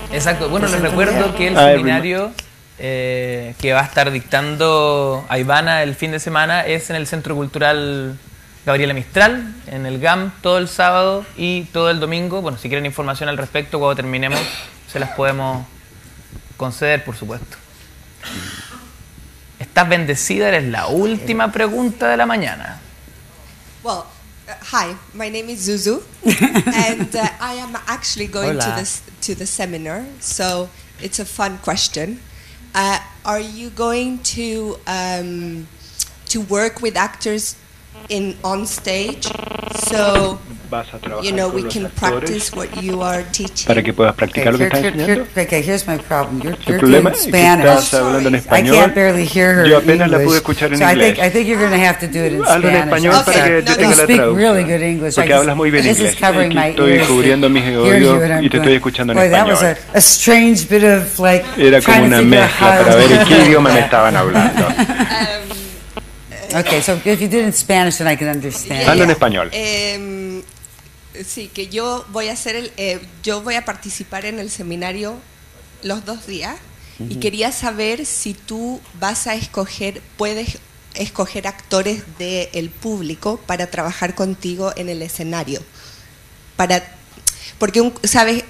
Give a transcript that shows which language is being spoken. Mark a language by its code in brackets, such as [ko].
[es] Exacto, bueno, les recuerdo que el seminario que va a estar dictando a Ivana el fin de semana es en el Centro Cultural Gabriela Mistral, en el GAM, todo el sábado y todo el domingo. Bueno, si quieren información al respecto, cuando terminemos se las podemos conceder, por supuesto. Estás bendecida, eres la última pregunta de la mañana. [en] Well, hi, my name is Zuzu, and I am actually going to the seminar, so it's a fun question. Are you going to work with actors on stage, so you know we can practice what you are teaching? [es] Para que puedas practicar lo que estás enseñando. [en] Okay, here's my problem. You're in Spanish. [es] En [en] I can't barely hear her. [es] Yo apenas la pude escuchar en inglés. [en] I think you're going to have to do it in Spanish. [es] Hablo en español [en] okay. [es] Para que no, tenga [en] you [es] la [en] speak really good English. [es] Porque hablas muy bien inglés. [en] This is covering my [es] estoy cubriendo mis oídos y te estoy escuchando en español. [en] That was a strange bit of like. [es] Era como una mezcla para ver en qué idioma me estaban hablando. [en] Okay, so if you did in Spanish, then I can understand. [es] Hablo en español. Sí, que yo voy a hacer yo voy a participar en el seminario los dos días y quería saber si tú vas a escoger, puedes escoger actores del público para trabajar contigo en el escenario. Porque, ¿sabes?